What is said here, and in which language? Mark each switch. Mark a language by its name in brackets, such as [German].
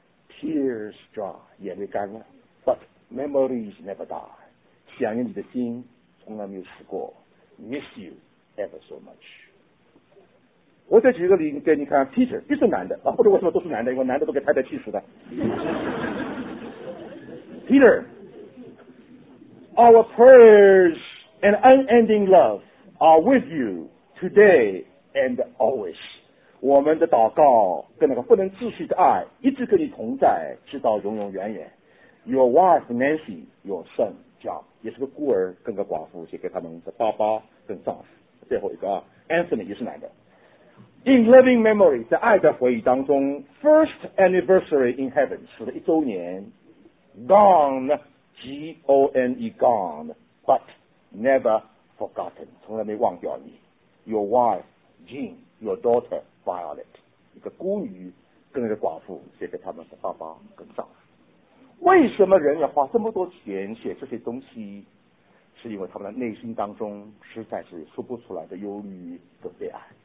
[English] Tears dry, [Chinese] 眼泪干了。 [English] But memories never die. [Chinese] 想念你的心从来没有死过。 [English] Miss you ever so much. [Chinese] 我再举个例给你看 ，teacher 又是男的啊，或者为什么都是男的？因为男的都给太太气死的。 [English] Peter, our prayers and unending love are with you today and always. [Chinese] 我们的祷告跟那个不能继续的爱一直跟你同在，直到永永远远。 [English] Your wife Nancy, your son John, [Chinese] 也是个孤儿跟个寡妇，写给他们的爸爸跟丈夫。最后一个啊 ，Anthony 也是男的。 [English] In living memory, [Chinese] 在爱的回忆当中 [English] ,first anniversary in heaven, [Chinese] 死了一周年 [English] ,gone, G-O-N-E, gone, but never forgotten, [Chinese] 从来没忘掉你。 [English] Your wife, Jean, your daughter, Violet, [Chinese] 一个孤女跟一个寡妇写给他们的爸爸跟丈夫。为什么人要花这么多钱写这些东西？是因为他们的内心当中实在是说不出来的忧虑跟悲哀。